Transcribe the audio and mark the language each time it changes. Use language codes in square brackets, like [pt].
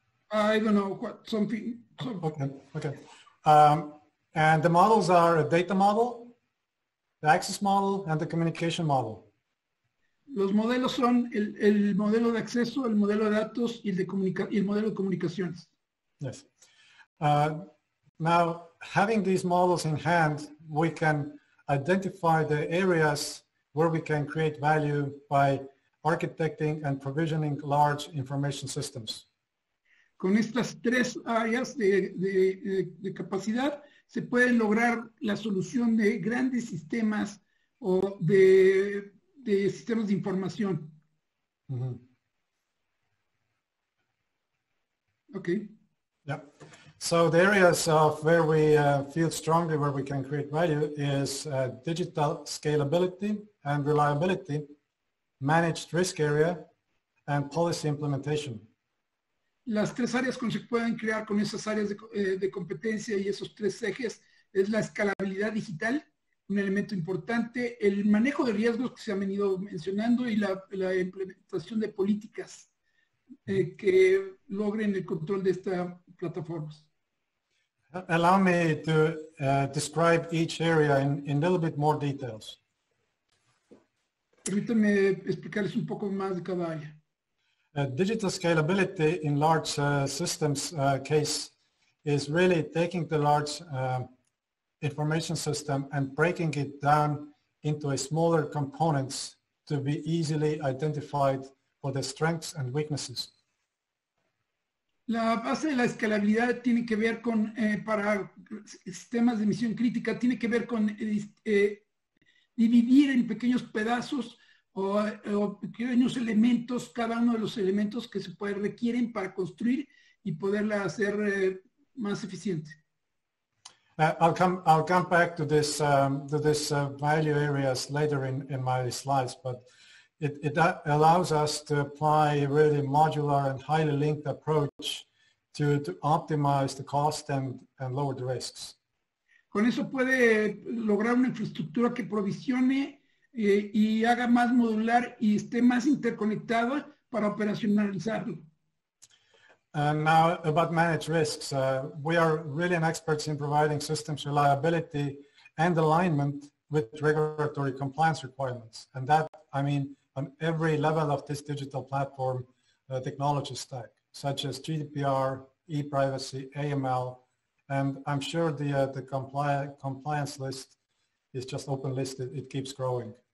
[en] I don't know what something. Okay. And the models are a data model, the access model, and the communication model. [es] Los modelos son el modelo de acceso, el modelo de datos y el modelo de comunicaciones. [en] Yes. Now, having these models in hand, we can identify the areas where we can create value by architecting and provisioning large information systems. [es] Con estas tres áreas de capacidad, se puede lograr la solución de grandes sistemas o de sistemas de información. Mm-hmm. Okay. Yeah. [en] So the areas of where we feel strongly where we can create value is digital scalability and reliability, managed risk area, and policy implementation. [es] Las tres áreas que se pueden crear con esas áreas de competencia y esos tres ejes es la escalabilidad digital, un elemento importante, el manejo de riesgos que se han venido mencionando y la implementación de políticas que logren el control de estas plataformas. [en] Allow me to describe each area in a little bit more details. [es] Permítanme explicarles un poco más de cada área. [en] Digital scalability in large systems case is really taking the large information system and breaking it down into a smaller components to be easily identified for the strengths and weaknesses. [es] La base de la escalabilidad tiene que ver con para sistemas de misión crítica tiene que ver con dividir en pequeños pedazos o pequeños elementos, cada uno de los elementos que se puede requieren para construir y poderla hacer más eficiente. [en] I'll come back to this value areas later in my slides, but it allows us to apply a really modular and highly linked approach to optimize the cost and lower the risks. [es] Con eso puede lograr una infraestructura que provisione y haga más modular y esté más interconectada para operacionalizarlo. [en] Now about managed risks, we are really an experts in providing systems reliability and alignment with regulatory compliance requirements. And that, I mean, on every level of this digital platform technology stack, such as GDPR, e-privacy, AML, and I'm sure the compliance list is just open listed, it keeps growing.